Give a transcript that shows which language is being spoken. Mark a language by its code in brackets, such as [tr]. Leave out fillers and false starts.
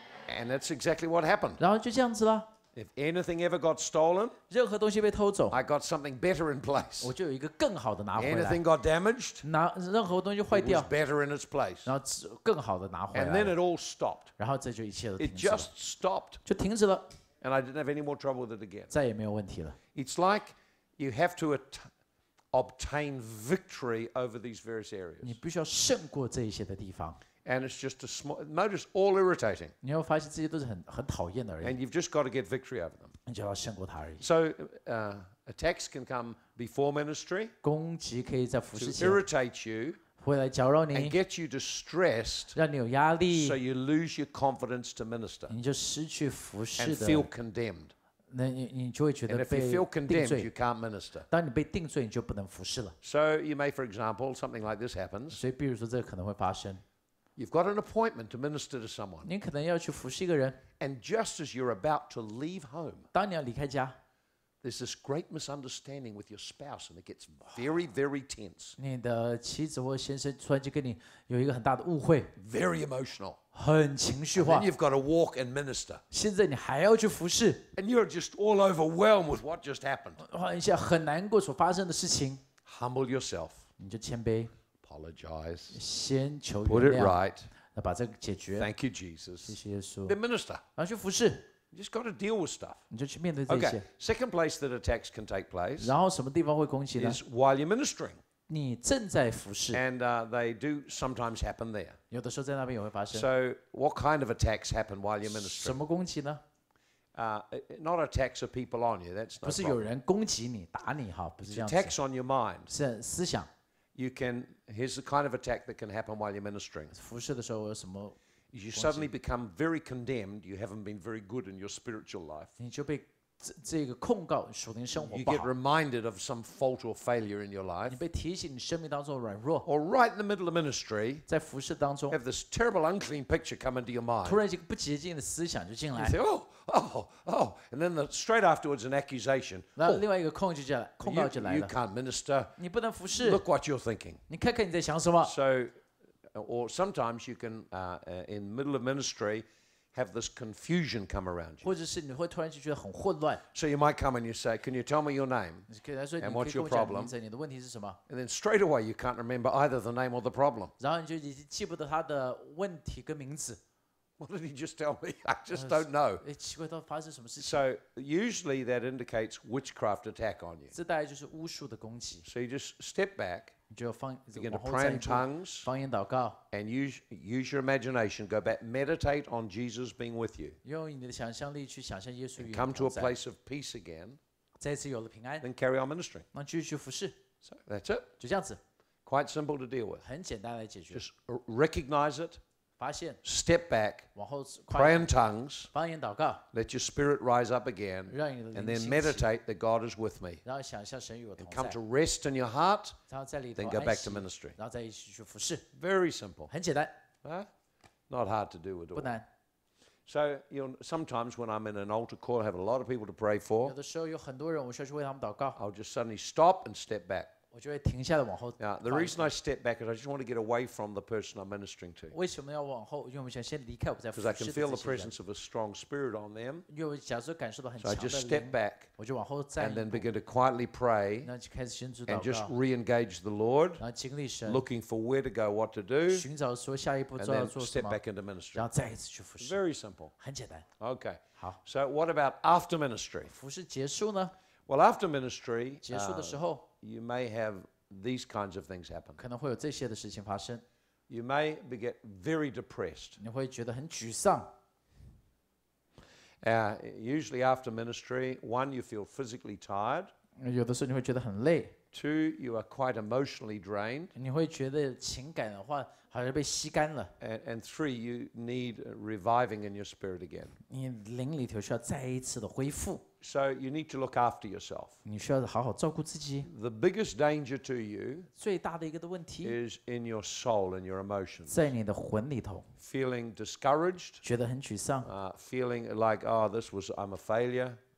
[en] And that's exactly what happened. [zh] 然后就这样子了。 [en] If anything ever got stolen, [zh] 任何东西被偷走 [en] I got something better in place. [zh] 我就有一个更好的拿回来。 [en] Anything got damaged, [zh] 拿任何东西坏掉 [en] it was better in its place. [zh] 然后更好的拿回来。 [en] And then it all stopped. [zh] 然后这就一切都停止了。 [en] It just stopped. [zh] 就停止了。 [en] And I didn't have any more trouble with it again. [zh] 再也没有问题了。 [en] It's like you have to obtain victory over these various areas. [zh] 你必须要胜过这一些的地方。 [en] And it's just a small. Notice all irritating. [zh] 你会发现这些都是很讨厌的而已。 [en] And you've just got to get victory over them. [zh] 你就要胜过它而已。 [en] So attacks can come before ministry. [zh] 攻击可以在服事前。 [en] To irritate you. [zh] 会来搅扰你。 [en] And get you distressed. [zh] 让你有压力。 [en] So you lose your confidence to minister. [zh] 你就失去服事的。 [en] And feel condemned. [zh] 那你就会觉得被定罪。 [en] And if you feel condemned, you can't minister. [zh] 当你被定罪，你就不能服事了。 [en] So you may, for example, something like this happens. [zh] 所以，比如说这可能会发生。 [en] You've got an appointment to minister to someone. [zh] 你可能要去服侍一个人。 [en] And just as you're about to leave home, [zh] 当你要离开家。 [en] There's this great misunderstanding with your spouse, and it gets very, very tense. [zh] 你的妻子或先生突然就跟你有一个很大的误会。 [en] Very emotional. [zh] 很情绪化。 [en] And you've got to walk and minister. [zh] 现在你还要去服侍。 [en] And you're just all overwhelmed with what just happened. [zh] 你现在很难过所发生的事情。 [en] Humble yourself. [zh] 你就谦卑。 [en] Apologize. [zh] 先求原谅。 [en] Put it right. [zh] 那把这个解决。 [en] Thank you, Jesus. [zh] 谢谢耶稣。 [en] Then minister. [zh] 然后去服侍。 [en] You just got to deal with stuff. [zh] 你就去面对这些。 [en] Okay, second place that attacks can take place. [zh] 然后什么地方会攻击呢？ [en] Is while you're ministering. [zh] 你正在服侍。 [en] And they do sometimes happen there. [zh] 有的时候在那边也会发生。 [en] So what kind of attacks happen while you're ministering? [zh] 什么攻击呢？ [en] Not attacks of people on you. That's not. [zh] 不是有人攻击你打你哈，不是这样子。 [en] Attacks on your mind. [zh] 是思想。 [en] You can. Here's the kind of attack that can happen while you're ministering. [zh] 服侍的时候有什么？ [en] You suddenly become very condemned. You haven't been very good in your spiritual life. [zh] 你就被这个控告属灵生活不好。 [en] You get reminded of some fault or failure in your life. [zh] 你被提醒你生命当中的软弱。 [en] Or right in the middle of ministry, [zh] 在服事当中 [en] ，have this terrible unclean picture come into your mind. [zh] 突然一个不洁净的思想就进来。 [en] You say, oh, and then straight afterwards an accusation. [zh] 那另外一个控告就来了，控告就来了。 [en] You can't minister. [zh] 你不能服事。 [en] Look what you're thinking. [zh] 你看看你在想什么。 [en] So. Or sometimes you can, in the middle of ministry, have this confusion come around you. [zh] 或者是你会突然就觉得很混乱。 [en] So you might come and you say, "Can you tell me your name and what's your problem?" [zh] 你的问题是什么？ [en] And then straight away you can't remember either the name or the problem. [zh] 然后你就已经记不得他的问题跟名字。 [en] What did he just tell me? I just don't know. [zh] 哎，奇怪，到底发生什么事情？ [en] So usually that indicates witchcraft attack on you. [zh] 这大概就是巫术的攻击。 [en] So you just step back. [zh] 你就放， [en] begin to pray in tongues. [zh] 方言祷告。 [en] And use your imagination. Go back, meditate on Jesus being with you. [zh] 用你的想象力去想象耶稣与你同在。 [en] Come to a place of peace again. [zh] 再次有了平安。 [en] Then carry on ministering. [zh] 那继续服事。 [en] So that's it. [zh] 就这样子。 [en] Quite simple to deal with. [zh] 很简单来解决。 [en] Just recognize it. [zh] 发现 [en] Step back, [zh] 往后 [en] pray in tongues, [zh] 方言祷告 [en] let your spirit rise up again, [zh] 让你的灵兴起 [en] and then meditate that God is with me, [zh] 然后想象神与我同在 [en] and come to rest in your heart, [zh] 然后在里头安息 [en] then go back to ministry, [zh] 然后再一起去服事 [en] very simple, [zh] 很简单 [en] not hard to do at all, [zh] 不难 [en] so you know, sometimes when I'm in an altar call, I have a lot of people to pray for, [zh] 有的时候有很多人我需要去为他们祷告 [en] I'll just suddenly stop and step back. [zh] 我就会停下来往后。 [en] Yeah, the reason I step back is I just want to get away from the person I'm ministering to. [zh] 为什么要往后？因为我们想先离开我们在服侍的这些人。 [en] Because I can feel the presence of a strong spirit on them. [zh] 因为我假设感受到很强的灵。 [en] So I just step back. [zh] 我就往后站一步。 [en] And then begin to quietly pray. [zh] 那就开始先祷告。 [en] And just re-engage the Lord. [zh] 然后经历神。 [en] Looking for where to go, what to do. [zh] 寻找说下一步要做什么。 [en] And then step back into ministry. [zh] 然后再一次去服侍。 [en] Very simple. [zh] 很简单。 [en] Okay. [zh] 好。 [en] So what about after ministry? [zh] 服侍结束呢？ [en] Well, after ministry. [zh] 结束的时候。 [en] You may have these kinds of things happen. [zh] 可能会有这些的事情发生。 [en] You may get very depressed. [zh] 你会觉得很沮丧。 [en] Usually after ministry, one, you feel physically tired. [zh] 有的时候你会觉得很累。 [en] Two, you are quite emotionally drained. [zh] 你会觉得情感的话好像被吸干了。 [en] And three, you need reviving in your spirit again. [zh] 你灵里头需要再一次的恢复。 [en] So you need to look after yourself. [zh] 你需要好好照顾自己。 [en] The biggest danger to you [zh] 最大的一个的问题 [en] is in your soul and your emotions. [zh] 在你的魂里头。 [en] Feeling discouraged. [zh] 觉得很沮丧。 [en] Feeling like, I'm a failure.